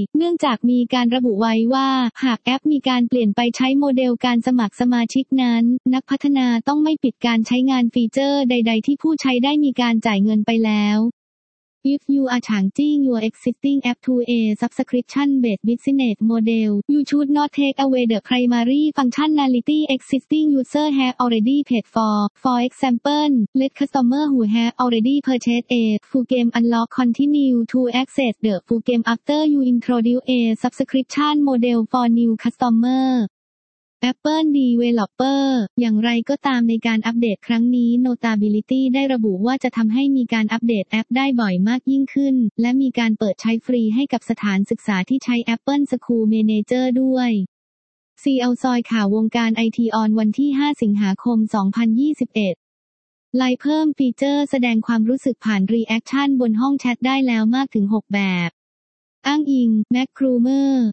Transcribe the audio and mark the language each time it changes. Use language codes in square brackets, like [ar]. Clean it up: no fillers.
[th] เนื่องจากมีการระบุไว้ว่าหากแอปมีการเปลี่ยนไปใช้โมเดลการสมัครสมาชิกนั้นนักพัฒนาต้องไม่ปิดการใช้งานฟีเจอร์ใดๆที่ผู้ใช้ได้มีการจ่ายเงินไปแล้ว [en] If you are changing your existing app to a subscription-based business model, you should not take away the primary functionality existing users have already paid for. For example, let customers who have already purchased a full game unlock continue to access the full game after you introduce a subscription model for new customers. [th] Apple Developer อย่างไรก็ตามในการอัปเดตครั้งนี้ Notability ได้ระบุว่าจะทำให้มีการอัปเดตแอปได้บ่อยมากยิ่งขึ้นและมีการเปิดใช้ฟรีให้กับสถานศึกษาที่ใช้ Apple School Manager ด้วยซีเอลซอยข่าววงการ IT on วันที่5สิงหาคม2021ไลน์เพิ่มฟีเจอร์แสดงความรู้สึกผ่านรีแอคชั่นบนห้องแชทได้แล้วมากถึง6แบบอ้างอิง Mac Rumors